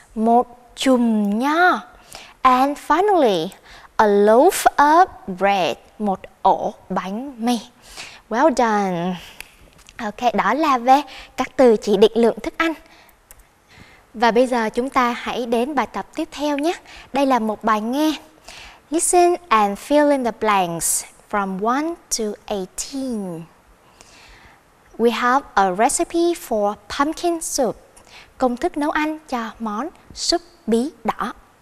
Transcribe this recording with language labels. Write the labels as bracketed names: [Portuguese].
[Vietnamese] Một chùm nho. [English] And finally, a loaf of bread. [Vietnamese] Một ổ bánh mì. [English] Well done. [Vietnamese] Ok, đó là về các từ chỉ định lượng thức ăn. Và bây giờ chúng ta hãy đến bài tập tiếp theo nhé. Đây là một bài nghe. [English] Listen and fill in the blanks from 1 to 18. We have a recipe for pumpkin soup. [Vietnamese] Công thức nấu ăn cho món súp bí đỏ.